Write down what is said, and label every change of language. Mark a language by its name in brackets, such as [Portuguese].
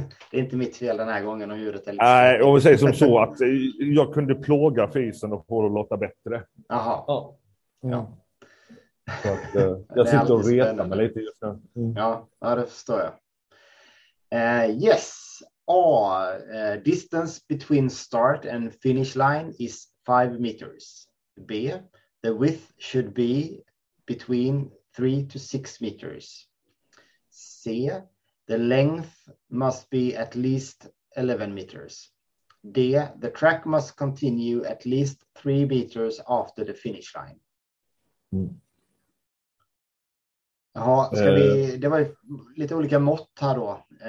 [Swedish] Det är inte mitt fel den här gången om ljudet är lite. Nej, om vi säger som så att jag kunde plåga fisen och få det att låta bättre. Jaha. Ja. Att, jag sitter och retar mig lite just nu. Ja, det förstår jag. [English] Yes. A. Distance between start and finish line is 5 meters. B. The width should be between 3 to 6 meters. C. The length must be at least 11 meters. D. The track must continue at least 3 meters after the finish line. [Swedish] Jaha, det var ju lite olika mått här då.